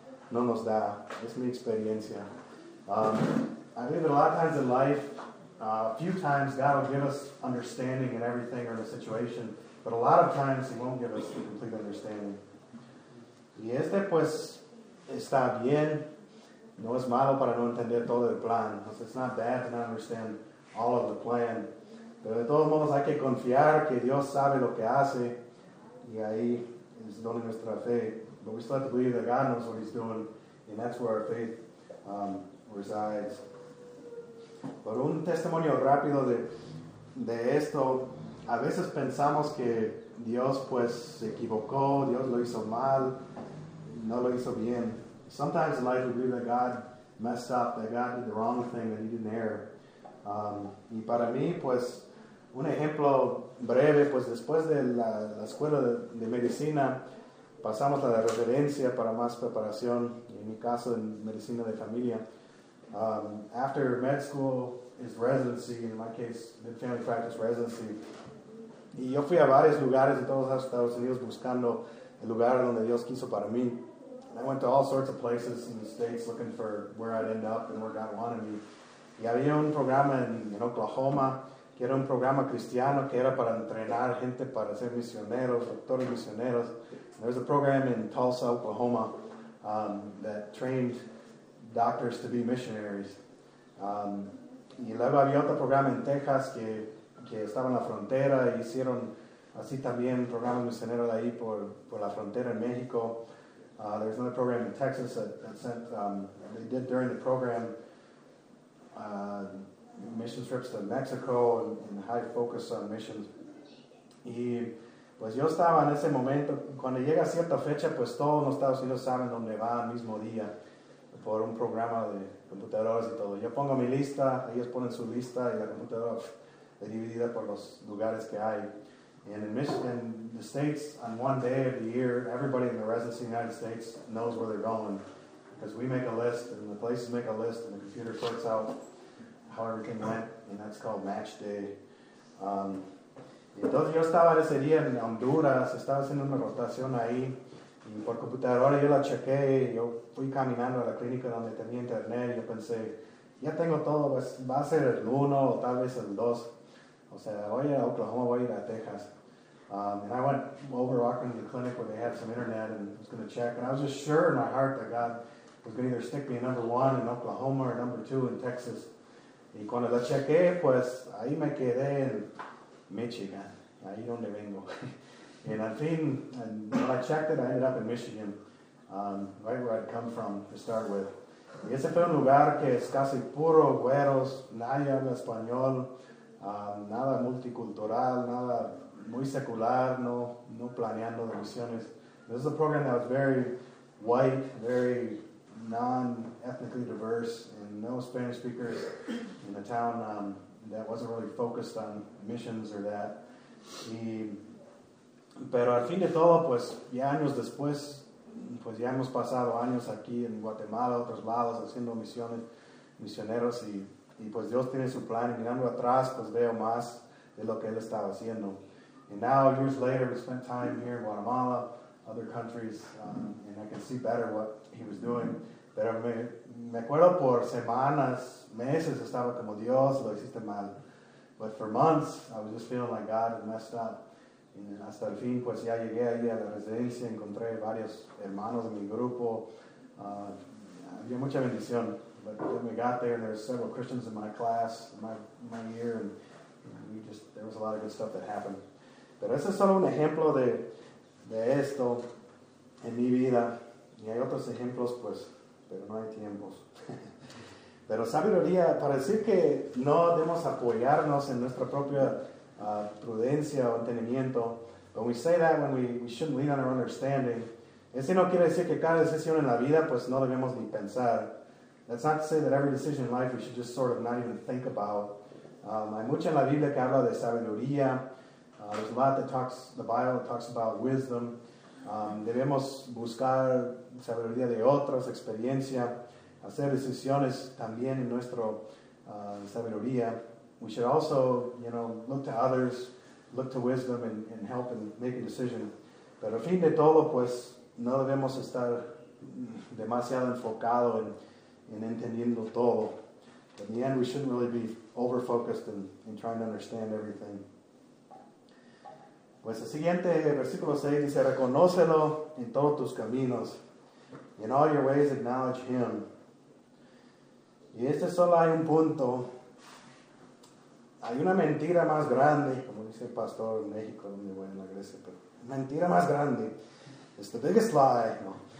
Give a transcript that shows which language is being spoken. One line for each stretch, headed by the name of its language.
Spanish: No nos da. Es mi experiencia.
English: I believe that a lot of times in life, a few times God will give us understanding in everything or in a situation, but a lot of times he won't give us the complete understanding.
Spanish: Y este pues está bien, no es malo para no entender todo el plan.
English: It's not bad to not understand all of the plan.
Spanish: Pero de todos modos hay que confiar que Dios sabe lo que hace, y ahí es donde nuestra fe.
English: But we still have to believe that God knows what he's doing, and that's where our faith resides.
Spanish: Por un testimonio rápido de esto, a veces pensamos que Dios pues se equivocó, Dios lo hizo mal, no lo hizo bien.
English: Sometimes in life we believe that God messed up, that God did the wrong thing, that he didn't err.
Spanish: Y para mí pues un ejemplo breve, pues después de la escuela de medicina pasamos a la residencia para más preparación, en mi caso en medicina de familia.
English: After med school is residency, in my case, mid family practice residency.
Spanish: Y yo fui a varios lugares en todos los Estados Unidos buscando el lugar donde Dios quiso para mí.
English: And I went to all sorts of places in the States looking for where I'd end up and where God wanted me.
Spanish: Y había un programa en Oklahoma, que era un programa cristiano, que era para entrenar gente para ser misioneros, doctores misioneros.
English: There was a program in Tulsa, Oklahoma, that trained doctors to be missionaries.
Spanish: Y luego había otro programa en Texas que estaba en la frontera y hicieron así también un programa misionero de ahí por la frontera en México.
English: There was another program in Texas that sent, they did during the program, mission trips to Mexico and high focus on missions. Y
Spanish: Pues yo estaba en ese momento, cuando llega cierta fecha, pues todos los Estados Unidos saben dónde va al mismo día por un programa de computadoras y todo. Yo pongo mi lista, ellos ponen su lista y la computadora es dividida por los lugares que hay. Y en Michigan,
English: the states, on one day of the year, everybody in the rest of the United States knows where they're going. Because we make a list, and the places make a list, and the computer sorts out how everything went, and that's called match day.
Spanish: Entonces yo estaba ese día en Honduras, estaba haciendo una rotación ahí, y por computadora yo la chequé, yo fui caminando a la clínica donde tenía internet, y yo pensé, ya tengo todo, pues va a ser el 1 o tal vez el 2. O sea, voy a Oklahoma, voy a ir a Texas.
English: And I went over to Akron, the clinic where they had some internet, and was going to check, and I was just sure in my heart that God was going to either stick me in number 1 in Oklahoma or number 2 in Texas.
Spanish: Y cuando la chequé, pues ahí me quedé en Michigan, ahí donde vengo.
English: And
Spanish: al fin,
English: when I checked it, I ended up in Michigan, right where I'd come from to start with.
Spanish: Y ese fue un lugar que es casi puro güeros, nadie habla español, nada multicultural, nada muy secular, no planeando de misiones.
English: This is a program that was very white, very non-ethnically diverse, and no Spanish speakers in the town that wasn't really focused on missions or that.
Spanish: Y, pero al fin de todo, pues ya años después, pues ya hemos pasado años aquí en Guatemala, otros lados, haciendo misiones, misioneros, y pues Dios tiene su plan, y mirando atrás, pues veo más de lo que Él estaba haciendo.
English: And now, years later, we spent time here in Guatemala, other countries, and I can see better what He was doing.
Spanish: Pero me acuerdo por semanas, meses, estaba como Dios, lo hiciste mal.
English: But for months, I was just feeling like God had messed up. And
Spanish: hasta el fin, pues ya llegué ahí a la residencia, encontré varios hermanos de mi grupo. Había mucha bendición.
English: But then we got there, and there were several Christians in my class, in my year, and we just, there was a lot of good stuff that happened.
Spanish: Pero ese es solo un ejemplo de esto en mi vida. Y hay otros ejemplos, pues, pero no hay tiempos. Pero sabiduría, para decir que no debemos apoyarnos en nuestra propia prudencia o entendimiento,
English: when we say that, when we shouldn't lean on our understanding,
Spanish: ese no quiere decir que cada decisión en la vida, pues, no debemos ni pensar.
English: That's not to say that every decision in life we should just sort of not even think about.
Spanish: Hay mucho en la Biblia que habla de sabiduría.
English: There's a lot that talks, the Bible talks about wisdom.
Spanish: Debemos buscar sabiduría de otros, experiencia, hacer decisiones también en nuestro sabiduría.
English: We should also, you know, look to others, look to wisdom and help and make a decision.
Spanish: Pero al fin de todo, pues, no debemos estar demasiado enfocado en entendiendo todo.
English: But in the end, we shouldn't really be over-focused in trying to understand everything.
Spanish: Pues el siguiente versículo 6 dice, reconócelo en todos tus caminos.
English: In all your ways acknowledge Him.
Spanish: Y este solo hay un punto. Hay una mentira más grande, como dice el pastor en México, donde voy en la iglesia, pero mentira más grande.
English: It's the biggest lie.
Spanish: No.